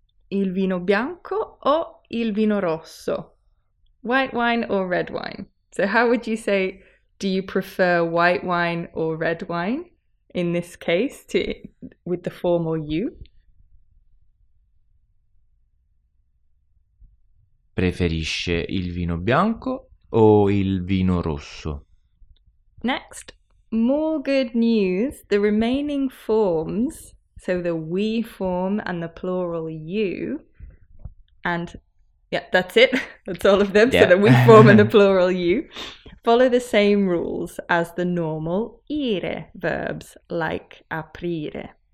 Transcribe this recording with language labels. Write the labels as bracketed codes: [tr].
[it] Il vino bianco o il vino rosso? [en] White wine or red wine? So how would you say, do you prefer white wine or red wine in this case to with the formal you? [it] Preferisce il vino bianco o il vino rosso? [en] Next, more good news. The remaining forms, so the we form and the plural you, and yeah, that's it. That's all of them. So the we form and the Yeah. plural you follow the same rules as the normal ire verbs, like aprire.